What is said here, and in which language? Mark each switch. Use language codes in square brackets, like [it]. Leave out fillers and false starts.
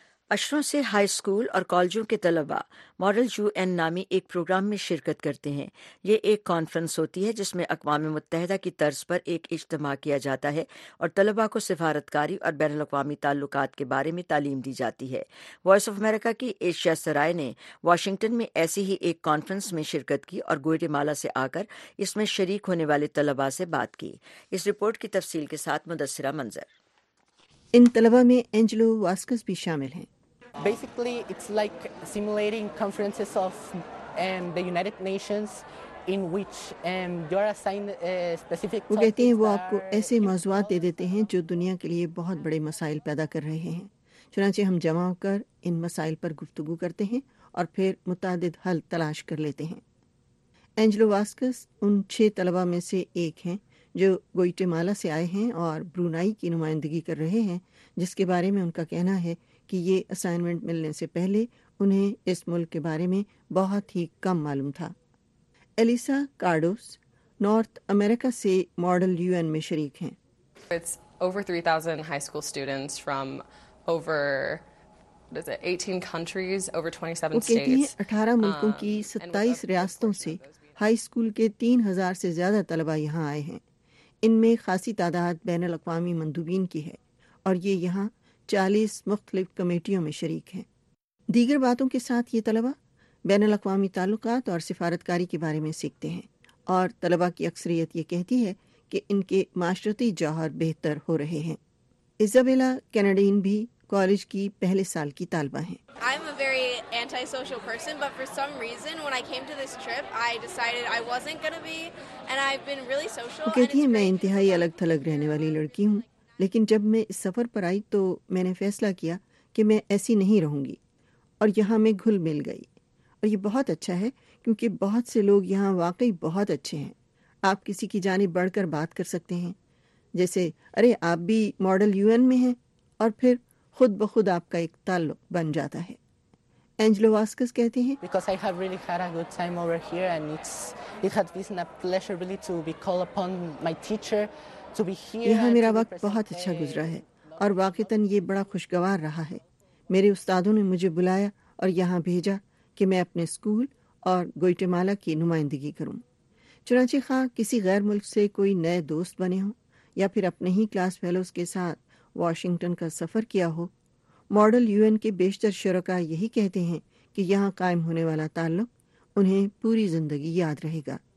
[ur] عشروں سے high school اور کالجوں کے طلبہ ماڈل یو این نامی ایک پروگرام میں شرکت کرتے ہیں۔ یہ ایک کانفرنس ہوتی ہے جس میں اقوام متحدہ کی طرز پر ایک اجتماع کیا جاتا ہے اور طلبہ کو سفارتکاری اور بین الاقوامی تعلقات کے بارے میں تعلیم دی جاتی ہے۔ وائس آف امریکہ کی ایشیا سرائے نے واشنگٹن میں ایسی ہی ایک کانفرنس میں شرکت کی اور گواٹیمالا سے آ کر اس میں شریک ہونے والے طلبہ سے بات کی۔ اس رپورٹ کی تفصیل کے ساتھ مدثرہ منظر۔ ان طلبہ میں اینجلو واسکس بھی شامل ہیں۔ [en] Basically, it's like simulating conferences of the United Nations in which you're assigned specific topics. [ur] وہ کہتے ہیں وہ آپ کو ایسے موضوعات دے دیتے ہیں جو دنیا کے لیے بہت بڑے مسائل پیدا کر رہے ہیں، چنانچہ ہم جمع ہو کر ان مسائل پر گفتگو کرتے ہیں اور پھر متعدد حل تلاش کر لیتے ہیں۔ اینجلو واسکس ان چھ طلبہ میں سے ایک ہیں جو گواٹیمالا سے آئے ہیں اور برونائی کی نمائندگی کر رہے ہیں، جس کے بارے میں ان کا کہنا ہے کہ یہ اسائنمنٹ ملنے سے پہلے انہیں اس ملک کے بارے میں بہت ہی کم معلوم تھا۔ ایلیسا کارڈوس نارتھ امریکہ سے ماڈل یو این میں شریک ہیں۔ [en] It's over 3,000 high school students from over 18 countries, over 27 states. [ur] 18 ملکوں کی 27 ریاستوں سے ہائی اسکول کے 3,000 سے زیادہ طلبہ یہاں آئے ہیں۔ ان میں خاصی تعداد بین الاقوامی مندوبین کی ہے اور یہ یہاں 40 مختلف کمیٹیوں میں شریک ہیں۔ دیگر باتوں کے ساتھ یہ طلبہ بین الاقوامی تعلقات اور سفارتکاری کے بارے میں سیکھتے ہیں، اور طلبہ کی اکثریت یہ کہتی ہے کہ ان کے معاشرتی جوہر بہتر ہو رہے ہیں۔ ایزابیلا کینیڈین بھی کالج کی پہلے سال کی طالبہ ہیں. [en] I'm a very antisocial person, but for some reason when I came to this trip, I decided I wasn't going to be, and I've been really social. [ur] وہ کہتی ہیں میں انتہائی الگ تھلگ رہنے والی لڑکی ہوں, لیکن جب میں اس سفر پر آئی تو میں نے فیصلہ کیا کہ میں ایسی نہیں رہوں گی, اور یہاں میں گھل مل گئی. اور یہ بہت اچھا ہے کیونکہ بہت سے لوگ یہاں واقعی بہت اچھے ہیں. آپ کسی کی جانب بڑھ کر بات کر سکتے ہیں, جیسے ارے آپ بھی ماڈل یو این میں ہیں, اور پھر خود بخود آپ کا ایک تعلق بن جاتا ہے. اینجلو واسکس کہتی ہیں [en] because I have really had a good time over here and it has been a pleasure really to be called upon my teacher to be here. [ur] یہاں میرا وقت بہت اچھا گزرا ہے, اور واقعتاً یہ بڑا خوشگوار رہا ہے. میرے استادوں نے مجھے بلایا اور یہاں بھیجا کہ میں اپنے اسکول اور گوئٹمالا کی نمائندگی کروں. چنانچہ خواہ کسی غیر ملک سے کوئی نئے دوست بنے ہوں یا پھر اپنے ہی کلاس فیلوز کے ساتھ واشنگٹن کا سفر کیا ہو, ماڈل یو این کے بیشتر شرکا یہی کہتے ہیں کہ یہاں قائم ہونے والا تعلق انہیں پوری زندگی یاد رہے گا.